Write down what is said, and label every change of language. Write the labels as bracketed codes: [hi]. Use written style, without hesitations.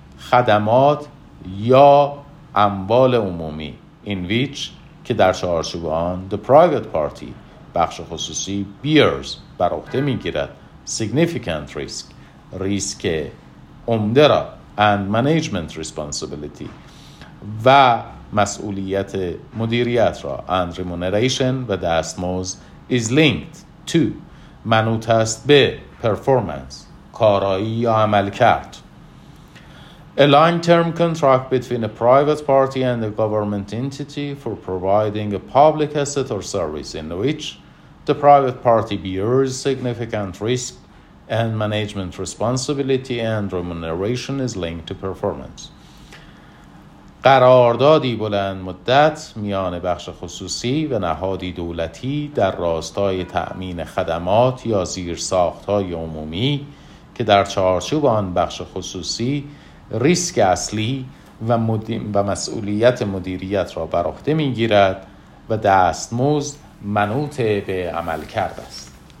[fa] خدمات یا اموال عمومی [en] in which [fa] که در چارچوب آن [en] the private party [fa] بخش خصوصی [en] bears [fa] بر عهده میگیرد [en] significant risk [fa] ریسک عمده را [en] and management responsibility [fa] و مسئولیت مدیریت را [en] and remuneration [fa] و دستمزد [en] is linked to [fa] منوط است به [en] performance [fa] کارایی یا عمل کرد. [en] A long term contract between a private party and a government entity for providing a public asset or service in which the private party bears significant risk and management responsibility and remuneration is linked to performance. [fa] قراردادی بلند مدت میان بخش خصوصی و نهادی دولتی در راستای تأمین خدمات یا زیرساخت‌های عمومی که در چارچوب آن بخش خصوصی ریسک اصلی و مسئولیت مدیریت را بر عهده می‌گیرد و دستمزد منوط به عمل کرده است.